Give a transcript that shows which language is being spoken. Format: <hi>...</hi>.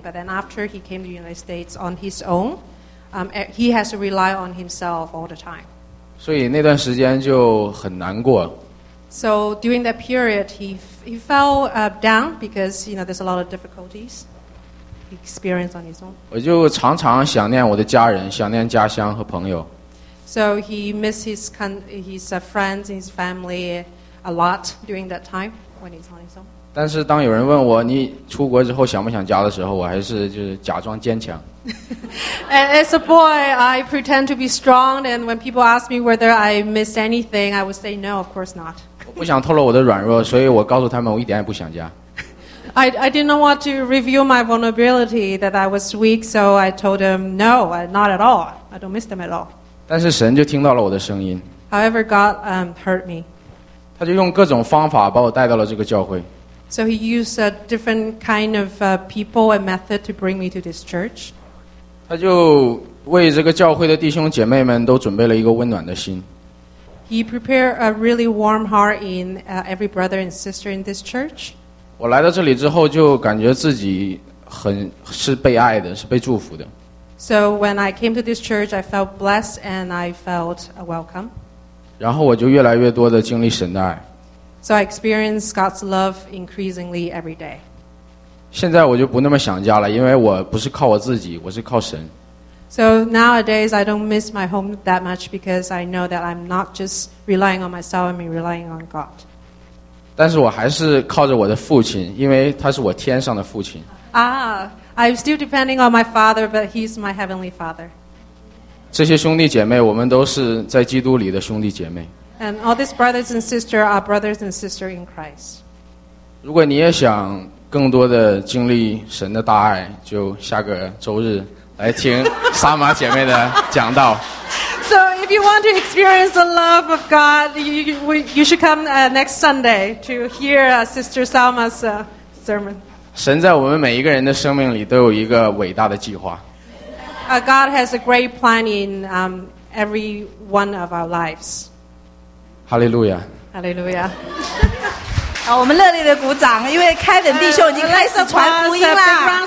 <en>But then after he came to the United States on his own, he has to rely on himself all the time.</en> <zh>所以那段时间就很难过。</zh> <en>So during that period, he fell down because you know there's a lot of difficulties he experienced on his own.</en> <zh>我就常常想念我的家人，想念家乡和朋友。</zh> <en>So he missed his friends, his family a lot during that time when he's on his own.</en> <zh>但是当有人问我你出国之后想不想家的时候，我还是就是假装坚强。</zh> <en>As a boy, I pretend to be strong, and when people ask me whether I miss anything, I would say no, of course not.</en> <zh>我不想透露我的软弱，所以我告诉他们我一点也不想家。</zh> <en>I did not want to reveal my vulnerability that I was weak, so I told them no, not at all. I don't miss them at all.</en> <zh>但是神就听到了我的声音。</zh> <en>However, God heard me.</en> <zh>他就用各种方法把我带到了这个教会。</zh> <en>So he used a different kind of people and method to bring me to this church.</en> <zh>他就为这个教会的弟兄姐妹们都准备了一个温暖的心。</zh> <en>He prepared a really warm heart in every brother and sister in this church.</en> <zh>我来到这里之后就感觉自己很是被爱的，是被祝福的。</zh> <en>So when I came to this church, I felt blessed and I felt a welcome.</en> <zh>然后我就越来越多的经历神的爱。</zh> <en>So I experienced God's love increasingly every day.</en> <zh>现在我就不那么想家了，因为我不是靠我自己，我是靠神。</zh> <en>So nowadays I don't miss my home that much because I know that I'm not just relying on myself, I'm relying on God.</en> <zh>但是我还是靠着我的父亲，因为他是我天上的父亲。</zh> <en>I'm still depending on my father, but he's my heavenly father.</en> <zh>这些兄弟姐妹，我们都是在基督里的兄弟姐妹。</zh> <en>And all these brothers and sisters are brothers and sisters in Christ.</en> <zh>如果你也想更多的经历神的大爱，就下个周日来听沙玛姐妹的讲道。</zh> <en>So if you want to experience the love of God, you should come next Sunday to hear Sister Salma's sermon.</en> <zh>神在我们每一个人的生命里都有一个伟大的计划。</zh> <en>God has a great plan in every one of our lives. Hallelujah. Hallelujah.</en> <zh>好，我们热烈的鼓掌，因为Kevin弟兄已经开始传福音啦。</zh>